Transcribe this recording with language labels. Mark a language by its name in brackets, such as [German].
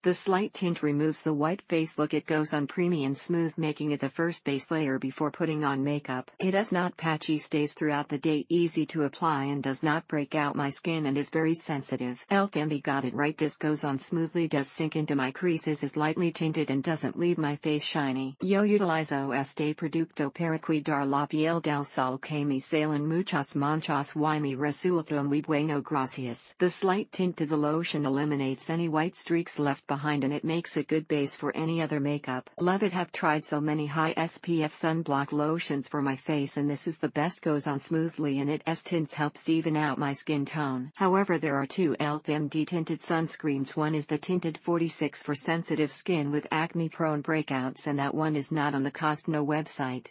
[English] The slight tint removes the white face look. It goes on creamy and smooth, making it the first base layer before putting on makeup. It is not patchy, stays throughout the day, easy to apply, and does not break out my skin and is very sensitive. LTMB got it right. This goes on smoothly, does sink into my creases, is lightly tinted, and doesn't leave my face shiny. [Spanish] Yo utilizo este producto para cuidar la piel del sol que me salen muchas manchas y me resulta muy bueno gracias. [English] The slight tint to the lotion eliminates any white streaks left behind, and it makes a good base for any other makeup. Love it. Have tried so many high SPF sunblock lotions for my face, and this is the best. Goes on smoothly, and it s tints helps even out my skin tone. However, there are two LTMD tinted sunscreens. One is the tinted 46 for sensitive skin with acne prone breakouts, and that one is not on the Costco website.